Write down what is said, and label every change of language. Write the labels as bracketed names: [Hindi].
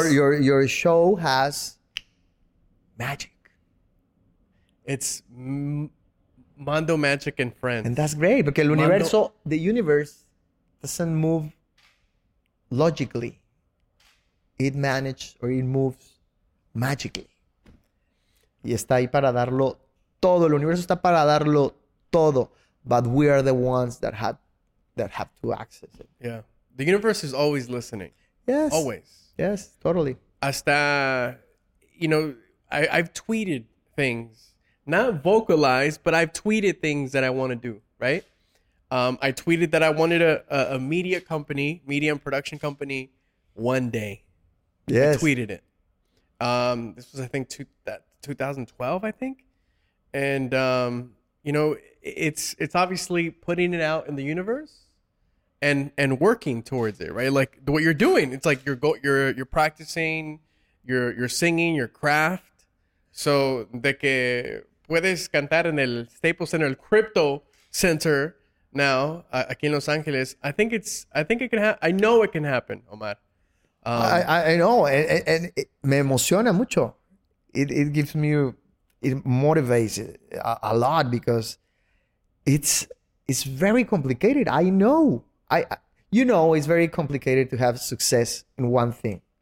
[English] Your show has magic. It's Mondo Magic and Friends, and that's great because the universe doesn't move logically. It manages or it moves magically. [Spanish] Y está ahí para darlo todo. El universo está para darlo todo. [English] But we are the ones that have to access it. Yeah. The universe is always listening. Yes. Always. Yes, totally. Hasta, you know, I've tweeted things. Not vocalized, but I've tweeted things that I want to do, right? I tweeted that I wanted a media company, media and production company, one day. Yes. I tweeted it. This was, I think, 2012, I think. And, you know, it's obviously putting it out in the universe and working towards it, right? Like what you're doing. It's like you're practicing, you're singing, your craft. [Spanish] So, de que puedes cantar en el Staples Center, el Crypto Center now, aquí en Los Angeles. [English] I know it can happen, Omar. I know. And [Spanish] me emociona mucho. [English] It gives me, it motivates a lot because it's very complicated. I know. It's very complicated to have success in one thing.